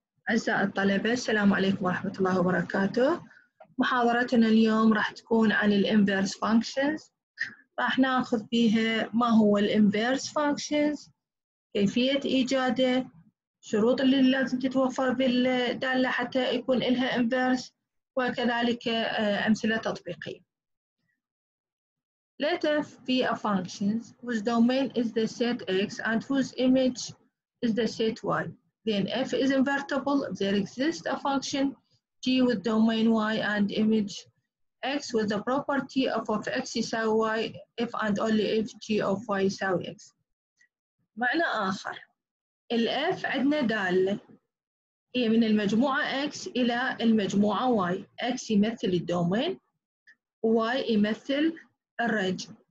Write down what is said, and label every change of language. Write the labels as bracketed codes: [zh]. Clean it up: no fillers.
[ar] أعزائي الطلبة، السلام عليكم ورحمة الله وبركاته. محاضرتنا اليوم راح تكون عن الانفيرس فانكشنز. راح ناخذ بيها ما هو الانفيرس فانكشنز، كيفية إيجاده، شروط اللي لازم تتوفر بالدالة حتى يكون لها انفيرس، وكذلك أمثلة تطبيقية. [en] Let f be a function whose domain is the set x and whose image is the set y. Then f is invertible if there exists a function g with domain y and image x with the property f of x is y if and only if g of y is x. [ar] معنى آخر، ال f عندنا دالة هي من المجموعة x إلى المجموعة y. x يمثل الدومين، y يمثل الرج.